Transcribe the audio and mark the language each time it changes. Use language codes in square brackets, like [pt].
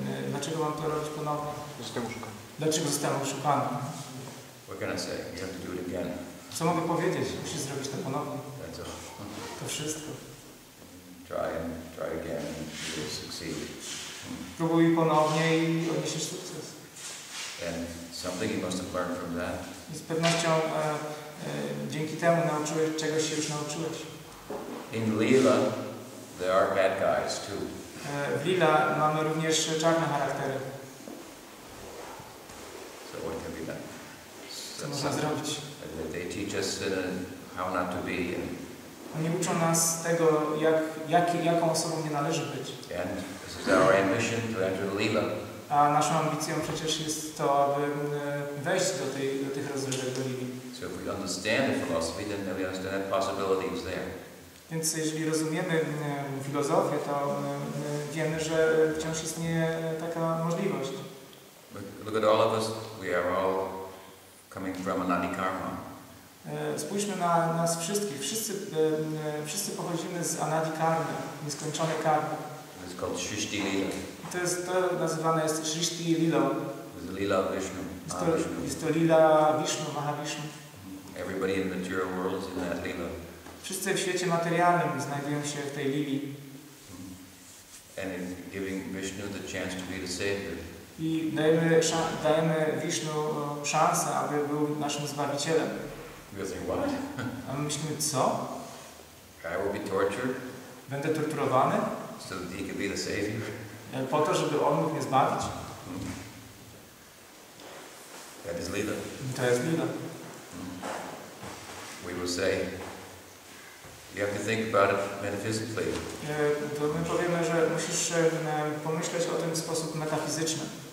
[pl] Dlaczego mam to robić ponownie? Zostałem oszukany. Dlaczego zostałem oszukany? [en] What can I say? You have to do it again. [pl] Co mogę powiedzieć? Musisz zrobić to ponownie. [en] That's all. [pl] To wszystko. [en] Try again and you will succeed. [pl] Próbuj ponownie i odniesiesz sukces. [en] And something you must have learned from that. [pl] Z pewnością dzięki temu nauczyłeś, czegoś się już nauczyłeś. [en] In Lila, there are bad guys too. [pl] W Lila mamy również czarne charaktery. [en] So what can be done? [pl] Co można zrobić? [en] They teach us how not to be. [pl] Oni uczą nas tego, jaką osobą nie należy być. [en] And this is our ambition to enter the Lila. [pl] A naszą ambicją przecież jest to, aby wejść do tych rozrywek do Lili. [en] So if we understand the philosophy, then we understand the possibilities there. [pl] Więc jeżeli rozumiemy filozofię, to wiemy, że wciąż istnieje taka możliwość. [en] Look at all of us, we are all coming from anadi karma. [pl] Spójrzmy na nas wszystkich. Wszyscy pochodzimy z anadi karmy, nieskończonej karmy. [en] It's called Srishti Lila. [pl] To nazywane jest Srishti Lila. [en] It's Lila Vishnu. [pl] Jest to Lila Vishnu, Mahavishnu. [en] Everybody in the material world is in that Lila. [pl] Wszyscy w świecie materialnym znajdują się w tej lilii. [en] And in giving Vishnu the chance to be the savior. [pl] I dajemy Vishnu szansę, aby był naszym zbawicielem. A my myślimy, co? [en] I will be tortured. [pl] Będę torturowany. [en] So that he can be the savior. [pl] Po to, żeby on mógł mnie zbawić. [en] That is lila. [pl] To jest lila. [en] We will say, you have to think about it metaphysically. [pl] To my powiemy, że musisz pomyśleć o tym w sposób metafizyczny.